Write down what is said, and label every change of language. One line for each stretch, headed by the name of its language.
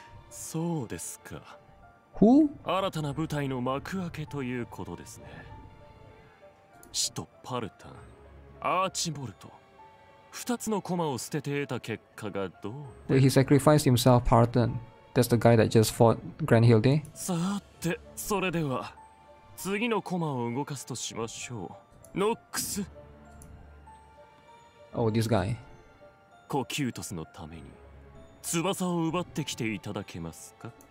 Japanese: そうですか。
English: Who?
Japanese: 新たな舞台の幕開けということですね。使徒パルタン、アーチボルト、二つの駒を捨てて得た結果がどう。
English: で、he sacrificed himself, Parthan. That's the guy that just fought Grand Hilde.
Japanese: さて、それでは。次のコマを動かすとしましょう。ノックス。
English: Oh, this guy.
Japanese: コキュートスのために翼を奪ってきていただけますか？